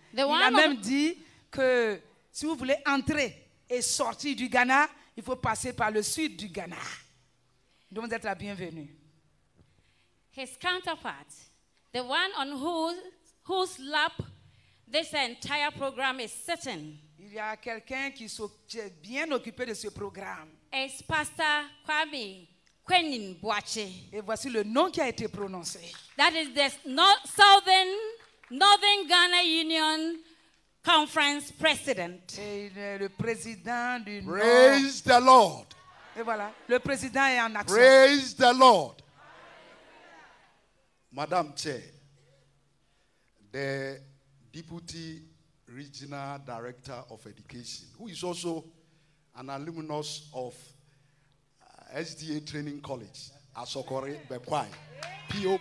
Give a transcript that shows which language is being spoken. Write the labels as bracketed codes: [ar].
[fr] Il a même dit que si vous voulez entrer et sortir du Ghana, il faut passer par le sud du Ghana. Donc vous êtes la bienvenue. [en] His counterpart, the one on whose lap this entire program is sitting. [fr] Il y a quelqu'un qui s'est bien occupé de ce programme. [en] Is Pastor Kwame. Kwenin Boache. [fr] Et voici le nom qui a été prononcé. [en] That is the Northern Ghana Union Conference President. [fr] Et le président du [en] Nord. Praise the Lord. [fr] Et voilà, le président est en action. [en] Praise the Lord. Madame Chair, the Deputy Regional Director of Education, who is also an alumnus of SDA Training College, Asokore Bekwai, P.O.